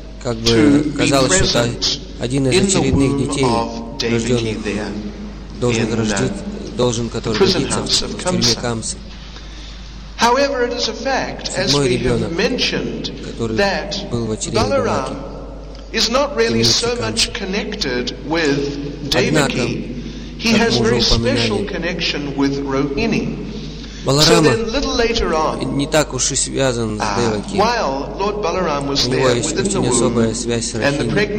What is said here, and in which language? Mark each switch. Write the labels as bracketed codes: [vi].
[ru] Как бы казалось, что это один из очередных детей, рожденных, который родиться в тюрьме Камсы. Седьмой ребенок, который был в очереди Деваки, [en] is not really so much connected with Devaki. He has very special connection with Rohini. [ru] Баларама не так уж и связан с Деваки. У него есть очень особая связь с Рахини.